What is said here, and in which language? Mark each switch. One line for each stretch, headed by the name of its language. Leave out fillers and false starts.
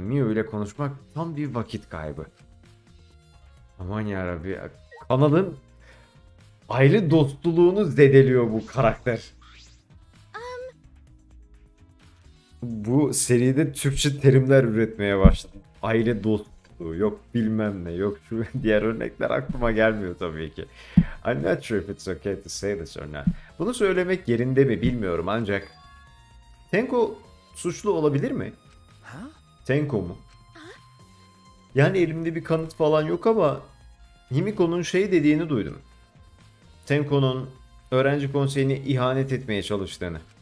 Turkish: Miu ile konuşmak tam bir vakit kaybı. Aman yarabbi, kanalın aile dostluğunu zedeliyor bu karakter. Bu seride Türkçe terimler üretmeye başladı. Aile dost, yokluğu, yok bilmem ne, yok şu diğer örnekler aklıma gelmiyor tabii ki.
English: I'm not sure if it's okay to say this or not.
Turkish: Bunu söylemek yerinde mi bilmiyorum ancak Tenko suçlu olabilir mi? Tenko mu? Yani elimde bir kanıt falan yok ama Himiko'nun şey dediğini duydum. Tenko'nun öğrenci konseyine ihanet etmeye çalıştığını.